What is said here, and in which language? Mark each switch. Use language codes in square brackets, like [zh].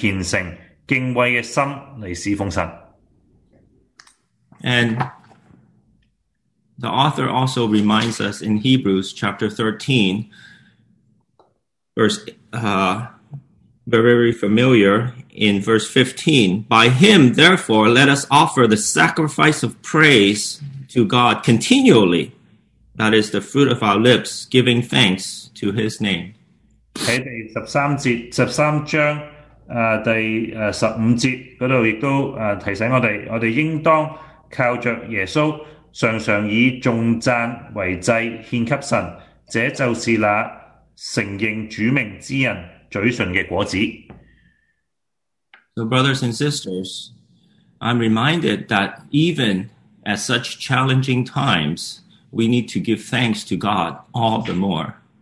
[zh] 在希伯来书12章28节那里讲，我们既然是得了一个不能震动的国，就当感恩，照神所喜悦的，用虔诚敬畏的心来侍奉神。 [en] And the author also reminds us in Hebrews chapter 13, verse 15, by him, therefore, let us offer the sacrifice of praise to God continually, that is the fruit of our lips, giving thanks to his name. [zh] 在第十三章第十五节那里也提醒我们，我们应当靠着耶稣常常以颂赞为祭献给神，这就是那 [en] So, brothers and sisters, I'm reminded that even at such challenging times, we need to give thanks to God all the more.